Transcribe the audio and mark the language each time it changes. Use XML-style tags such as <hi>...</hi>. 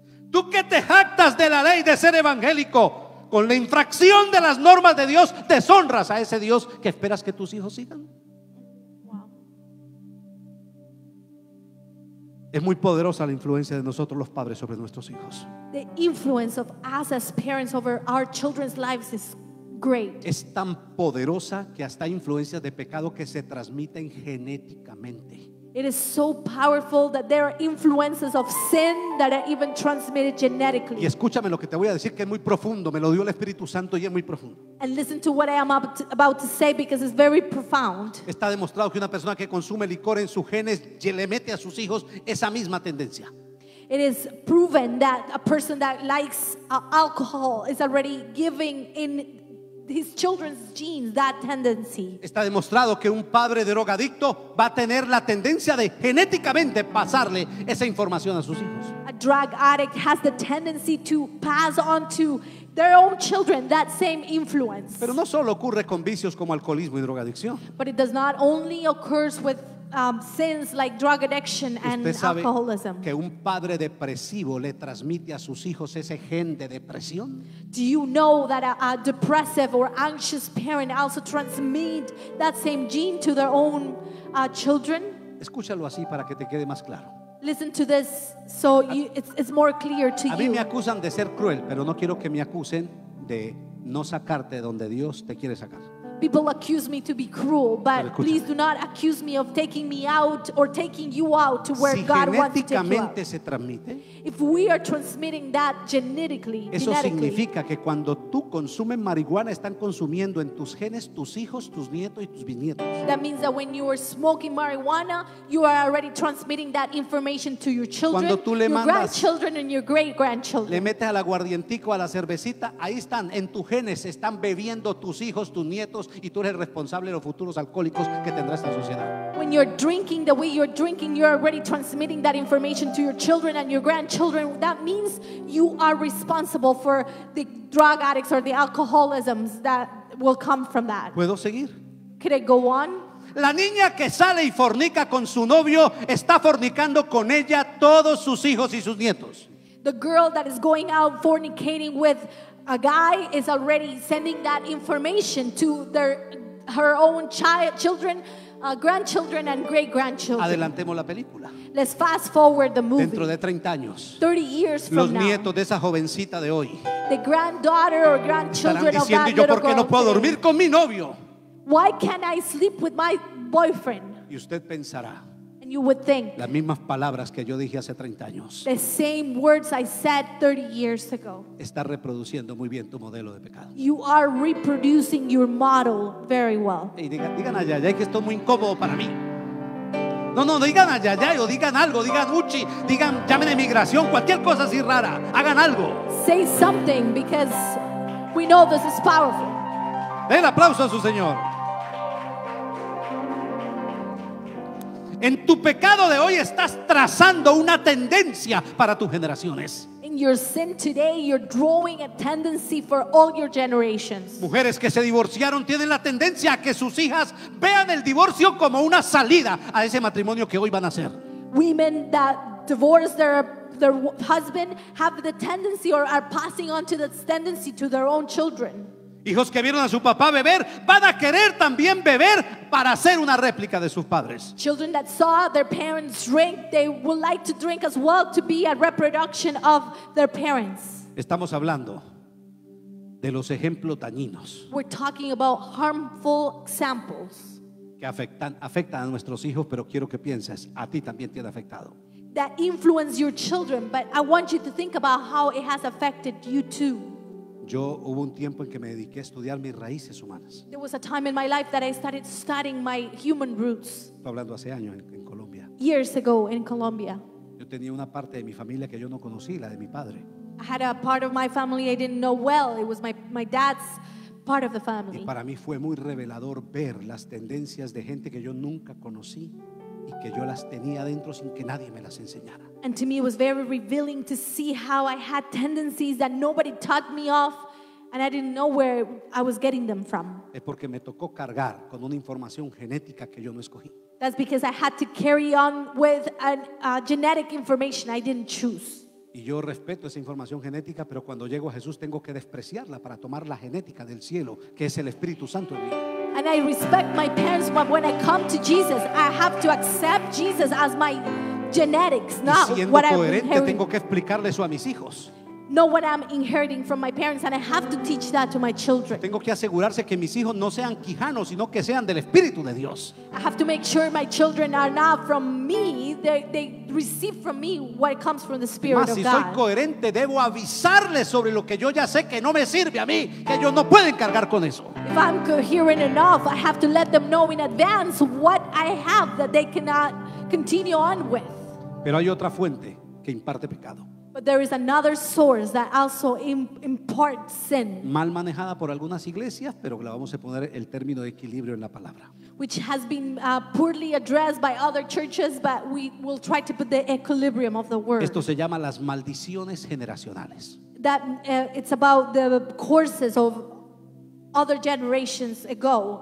<es>Tú que te jactas de la ley de ser evangélico, con la infracción de las normas de Dios, deshonras a ese Dios que esperas que tus hijos sigan. Wow. Es muy poderosa la influencia de nosotros los padres sobre nuestros hijos.</es> <en>The influence of us as parents over our children's lives is great.</en> <es>Es tan poderosa que hasta hay influencias de pecado que se transmiten genéticamente.</es> <en>It is so powerful that there are influences of sin that are even transmitted genetically.</en> <es>Y escúchame lo que te voy a decir que es muy profundo, me lo dio el Espíritu Santo y es muy profundo.</es> <en>And listen to what I am about to say because it's very profound.</en> <es>Está demostrado que una persona que consume licor en sus genes le mete a sus hijos esa misma tendencia.</es> <en>It is proven that a person that likes alcohol is already giving in his children's genes that tendency.</en> <es>Está demostrado que un padre drogadicto va a tener la tendencia de genéticamente pasarle esa información a sus hijos.</es> <en>A drug addict has the tendency to pass on to their own children that same influence.</en> <es>Pero no solo ocurre con vicios como alcoholismo y drogadicción.</es> <en>But it does not only occur with sins like drug addiction and alcoholism.</en> <es>Que un padre depresivo le transmite a sus hijos ese gen de depresión.</es> <en>Do you know that a depressive or anxious parent also transmit that same gene to their own children?</en> <es>Escúchalo así para que te quede más claro.</es> <en>Listen to this so you, it's more clear to you.</en> <es>A mí me acusan de ser cruel, pero no quiero que me acusen de no sacarte donde Dios te quiere sacar.</es> <en>People accuse me to be cruel, but please do not accuse me of taking me out or taking you out to where</en> <es>si</es> <en>God wants to take you out.</en> <es>Se transmite,</es> <en>if we are transmitting that genetically,</en> <es>eso significa que cuando tú consumes marihuana, están consumiendo en tus genes tus hijos, tus nietos y tus bisnietos.</es> <en>That means that when you are smoking marijuana, you are already transmitting that information to your children, your</en> <es>mandas,</es> <en>grandchildren and your great-grandchildren.</en> <es>Le metes al aguardientico, a la cervecita, ahí están, en tus genes, están bebiendo tus hijos, tus nietos, y tú eres responsable de los futuros alcohólicos que tendrá esta sociedad.</es> <en>When you're drinking the way you're drinking, you're already transmitting that information to your children and your grandchildren. That means you are responsible for the drug addicts or the alcoholisms that will come from that.</en> <es>¿Puedo seguir?</es> <en>Could I go on?</en> <es>La niña que sale y fornica con su novio está fornicando con ella todos sus hijos y sus nietos.</es> <en>The girl that is going out fornicating with a guy is already sending that information to her own children, grandchildren and great grandchildren.</en> <es>Adelantemos la película.</es> <en>Let's fast forward the movie.</en> <es>Dentro de 30 años.</es> <en>30 years from</en> <es>los</es> <en>now.</en> <es>Los nietos de esa jovencita de hoy.</es> <en>The granddaughter or grandchildren</en> <es>diciendo,</es> <en>of that little girl.</en> <es>¿Por qué no puedo dormir con mi novio?</es> <en>Why can't I sleep with my boyfriend?</en> <es>Y usted pensará.</es> <en>And you would think.</en> <es>Las mismas palabras que yo dije hace 30 años.</es> <en>The same words I said 30 years ago.</en> <es>Está reproduciendo muy bien tu modelo de pecado.</es> <en>You are reproducing your model very well.</en> <es>Hey, digan allá, ya que esto es muy incómodo para mí. No, digan allá, ya, o digan algo, digan uchi, digan llamen a inmigración, cualquier cosa así rara, hagan algo.</es> <en>Say something because we know this is powerful.</en> <es>Den el aplauso a su Señor. En tu pecado de hoy estás trazando una tendencia para tus generaciones.</es> <en>In your sin today, you're drawing a tendency for all your generations.</en> <es>Mujeres que se divorciaron tienen la tendencia a que sus hijas vean el divorcio como una salida a ese matrimonio que hoy van a hacer.</es> <en>Women that divorce their husband have the tendency or are passing on to that tendency to their own children.</en> <es>Hijos que vieron a su papá beber van a querer también beber para hacer una réplica de sus padres.</es> <en>Children that saw their parents drink, they would like to drink as well to be a reproduction of their parents.</en> <es>Estamos hablando de los ejemplos dañinos.</es> <en>We're talking about harmful examples.</en> <es>Que afectan a nuestros hijos, pero quiero que pienses, a ti también te ha afectado.</es> <en>That influence your children, but I want you to think about how it has affected you too.</en> <es>Yo hubo un tiempo en que me dediqué a estudiar mis raíces humanas.</es> <en>There was a time in my life that I started studying my human roots.</en> <es>Estoy hablando hace años en Colombia.</es> <en>Years ago in Colombia.</en> <es>Yo tenía una parte de mi familia que yo no conocí, la de mi padre.</es> <en>I had a part of my family I didn't know well. It was my dad's part of the family.</en> <es>Y para mí fue muy revelador ver las tendencias de gente que yo nunca conocí y que yo las tenía dentro sin que nadie me las enseñara.</es> <en>And to me it was very revealing to see how I had tendencies that nobody taught me of and I didn't know where I was getting them from.</en> <es>Es porque me tocó cargar con una información genética que yo no escogí.</es> <en>That's because I had to carry on with a genetic information I didn't choose.</en> <es>Y yo respeto esa información genética, pero cuando llego a Jesús tengo que despreciarla para tomar la genética del cielo, que es el Espíritu Santo en mí.</es> <en>And I respect my parents, but when I come to Jesus, I have to accept Jesus as my genetics, not what I'm inheriting.</en> <es>Tengo que explicarle eso a mis hijos.</es> <en>Know what I'm inheriting from my parents, and I have to teach that to my children.</en> <es>Tengo que asegurarse que mis hijos no sean quijanos, sino que sean del Espíritu de Dios.</es> <en>I have to make sure my children are not from me; they receive from me what comes from the Spirit of God.</en> <es>Si soy coherente, debo avisarles sobre lo que yo ya sé que no me sirve a mí, que ellos no pueden cargar con eso.</es> <en>If I'm coherent enough, I have to let them know in advance what I have that they cannot continue on with.</en> <es>Pero hay otra fuente. que imparte pecado.</es> <en>But there is another source that also imparts sin.</en> <es>Mal manejada por algunas iglesias, pero le vamos a poner el término de equilibrio en la palabra.</es> <en>Which has been poorly addressed by other churches, but we will try to put the equilibrium of the word.</en> <es>Esto se llama las maldiciones generacionales.</es> <en>That it's about the courses of other generations ago.</en>